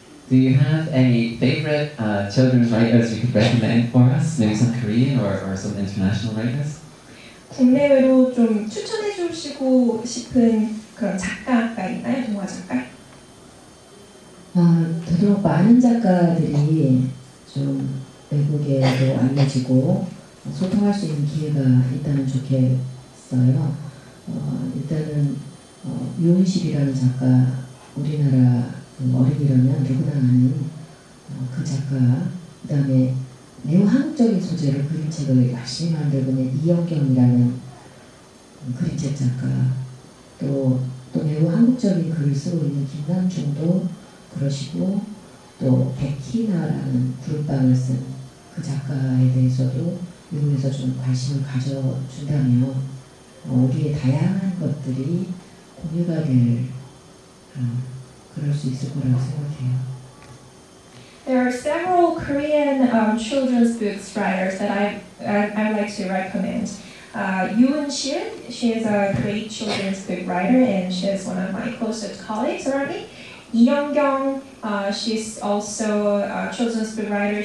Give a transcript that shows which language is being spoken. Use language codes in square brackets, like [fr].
[en] Do you have any favorite children's writers you could recommend for us? Maybe some Korean or some international writers? [ko] 국내외로 좀 추천해 주시고 싶은 그런 작가가 있나요, 동화 작가? 되도록 많은 작가들이 좀 외국에도 알려지고 소통할 수 있는 기회가 있다면 좋겠어요. 일단은 유은식이라는 작가, 우리나라 어린이라면 누구나 아는 그 작가, 그 다음에 매우 한국적인 소재로 그림책을 열심히 만들고 있는 이영경이라는 그림책 작가 또 매우 한국적인 글을 쓰고 있는 김남중도 그러시고 또 백희나라는 구름방을 쓴 그 작가에 대해서도 일본에서 좀 관심을 가져준다며 우리의 다양한 것들이 공유가 될 그럴 수 있을 거라고 생각해요. [en] There are several Korean children's books writers that I'd like to recommend. Yoon Shin, she is a great children's book writer and she is one of my closest colleagues around me. Lee Young-kyung, she's also a children's book writer.